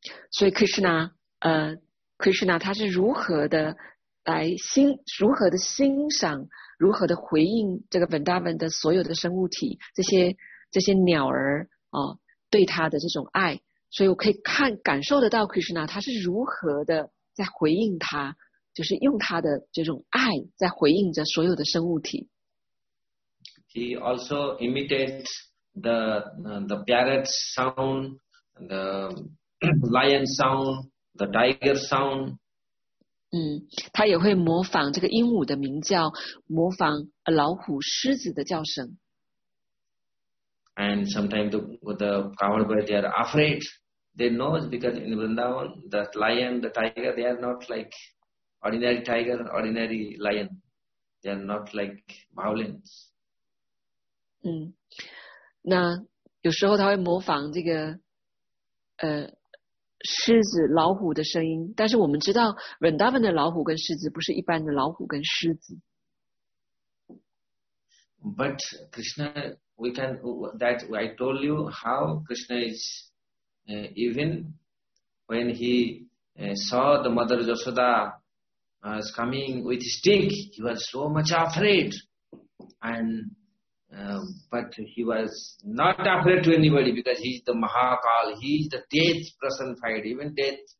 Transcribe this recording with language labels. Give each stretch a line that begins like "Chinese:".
Chinese: 所以 Krishna 他是如何的欣赏如何的回应这个 Vrindavan 的所有的生物体这些鸟儿对他的这种爱，所以我可以感受得到 Krishna 他是如何的在回应他，就是用他的这种爱在回应着所有的生物体。
English: He also imitates the parrot sound, theLion sound, the tiger sound.
Chinese: 他也会模仿这个鹦鹉的鸣叫，模仿老虎、狮子的叫声。
English: And sometimes the cowherd they are afraid. They know because in Vrindavan, the lion, the tiger, they are not like ordinary tiger, ordinary lion. They are not like violence.
Chinese: 那有时候他会模仿这个狮子老虎的声音，但是我们知道 Vrindavan 的老虎跟狮子不是一般的老虎跟狮子。
English: But Krishna we can that I told you how Krishna is even when he saw the mother Yashoda is coming with stick he was so much afraid andbut he was not afraid to anybody because he is the Mahakal, he is the death personified, even death.